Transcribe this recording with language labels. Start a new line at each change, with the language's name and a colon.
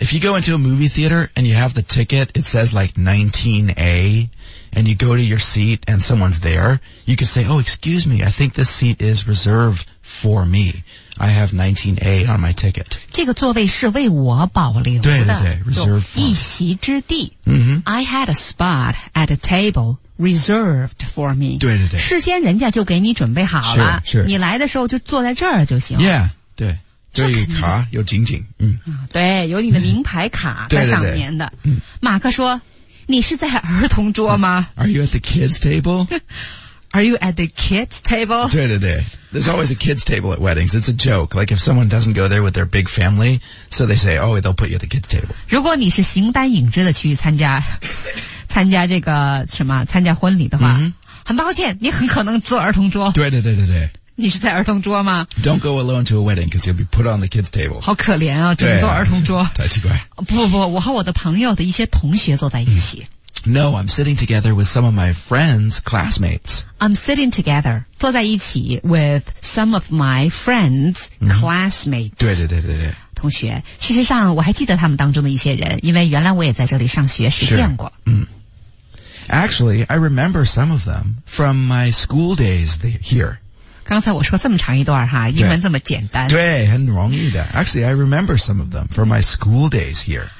English: If you go into a movie theater and you have the ticket, it says like 19A, and you go to your seat and someone's there, you can say, "Oh, excuse me, I think this seat is reserved for me." I have 19A on my ticket.
Chinese: 这个座位是为我保留的。对对对 ,
English: reserved for.
Chinese: 一席之地。
English: I had a spot at a table reserved for me.
Chinese: 对对对。事先人家就给你准备好了。是是。你来的时候就坐在这儿就行了。
English: Yeah,
Chinese: 对。这一卡有紧紧。对，有你的名牌卡在上面的。对对对马克说，你是在儿童桌吗？
English: Are you at the kids table? Are you at the kids table?
Chinese: 对对对。
English: There's always a kids table at weddings. It's a joke. Like if someone doesn't go there with their big family, so they say, oh, they'll put you at the kids table.
Chinese: 如果你是形单影只的去参加这个什么参加婚礼的话、很抱歉，你很可能坐儿童桌。对对对对对。你是在儿童桌吗
English: ？Don't go alone to a wedding because you'll be put on the kids' table.
Chinese: 好可怜啊，只能坐儿童桌。太奇怪。不不不，我和我的朋友的一些同学坐在一起。
English: No, I'm sitting together with some of my friends' classmates. I'm sitting together,
Chinese: 坐在一起
English: with some of my friends' classmates.
Chinese: 对对对对对。同学，事实上我还记得他们当中的一些人，因为原来我也在这里上学时见过。
English: 嗯。Actually, I remember some of them from my school days here.
Chinese: 刚才我说这么长一段哈，英文这么简单。对，很容易的。
English: Actually, I remember some of them from my school days here.